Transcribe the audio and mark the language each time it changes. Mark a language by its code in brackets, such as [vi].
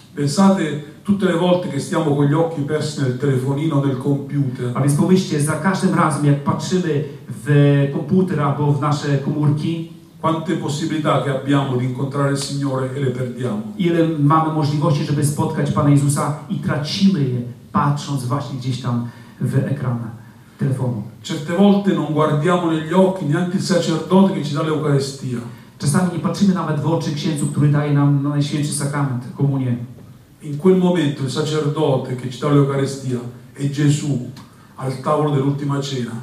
[it] Pensate tutte le volte che stiamo con gli occhi persi nel telefonino del computer. [pl] A więc pomyślcie, za każdym razem jak patrzymy w komputer albo w nasze komórki, [it] quante possibilità che abbiamo di incontrare il Signore e le perdiamo. [pl] Ile mamy możliwości, żeby spotkać Pana Jezusa i tracimy je, patrząc właśnie gdzieś tam w ekran telefonu. [it] Certe volte non guardiamo negli occhi neanche il sacerdote che ci dà l'Eucaristia. [pl] Czasami nie patrzymy nawet w oczy księdzu, który daje nam najświętszy sakrament, komunię. [it] In quel momento il sacerdote che ci dà l'Eucaristia è Gesù al tavolo dell'ultima cena.